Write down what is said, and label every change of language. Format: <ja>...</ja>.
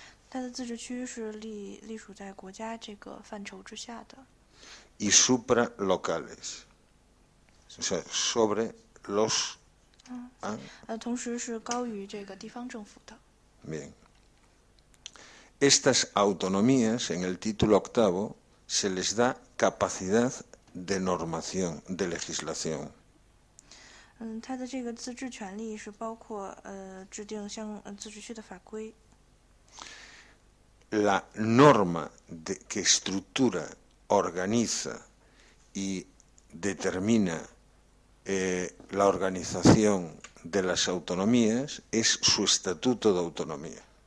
<zh>它的自治区是隶属在国家这个范畴之下的。</zh> <es>Y supralocales. O sea, sobre los...</es> <zh>同时是高于这个地方政府的。</zh> <es>Bien. Estas autonomías, en el título octavo, se les da capacidad de normación, de legislación.</es> <zh>它的这个自治权利是包括制定自治区的法规。</zh> <es>La norma de, que estructura, organiza y determina la organización de las autonomías es su estatuto de autonomía.</es>